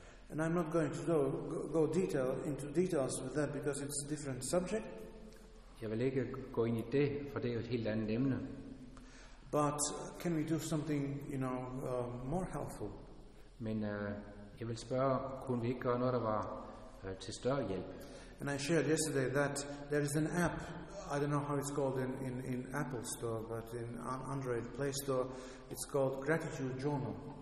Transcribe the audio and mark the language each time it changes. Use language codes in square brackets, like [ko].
[en] And I'm not going to go detail into details with that because it's a different subject. [da] Jeg vil ikke gå ind I det, for det et helt andet emne. [en] But can we do something, you know, more helpful? [da] Men jeg vil spørge, kunne vi ikke gøre noget, der var til større hjælp? [en] And I shared yesterday that there is an app. I don't know how it's called in Apple Store, but in Android Play Store, it's called Gratitude Journal.